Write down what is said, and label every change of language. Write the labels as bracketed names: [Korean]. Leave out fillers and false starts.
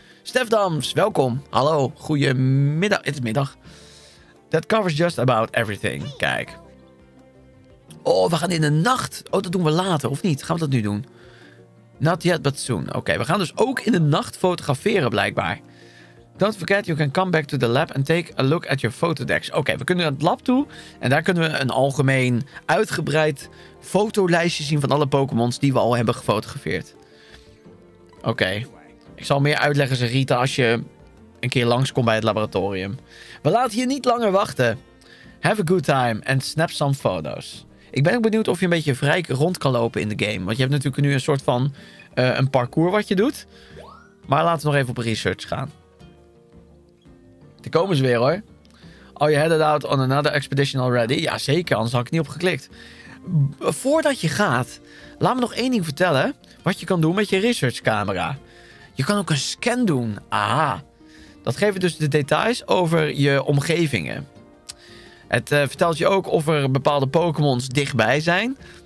[Dutch] Stef Dams, welkom. Hallo, goedemiddag. Het is middag. [English] That covers just about everything. Kijk. [Dutch] Oh, we gaan in de nacht. Oh, dat doen we later, of niet? Gaan we dat nu doen? Not yet, but soon. Oké, we gaan dus ook in de nacht fotograferen blijkbaar. [English] Don't forget, you can come back to the lab and take a look at your photodex. [Dutch] Oké, we kunnen naar het lab toe. En daar kunnen we een algemeen uitgebreid fotolijstje zien van alle Pokémons die we al hebben gefotografeerd. Oké. Ik zal meer uitleggen, zegt Rita, als je een keer langskomt bij het laboratorium. We laten je niet langer wachten. [English] Have a good time and snap some photos. [Dutch] Ik ben ook benieuwd of je een beetje vrij rond kan lopen in de game. Want je hebt natuurlijk nu een soort van een parcours wat je doet. Maar laten we nog even op research gaan. Daar komen ze weer hoor. [English] Oh, you headed out on another expedition already? [Dutch] Ja, zeker, anders had ik niet op geklikt. Voordat je gaat, laat me nog één ding vertellen. Wat je kan doen met je researchcamera. Je kan ook een scan doen. Aha. Dat geeft dus de details over je omgevingen. Het vertelt je ook of er bepaalde Pokémons dichtbij zijn.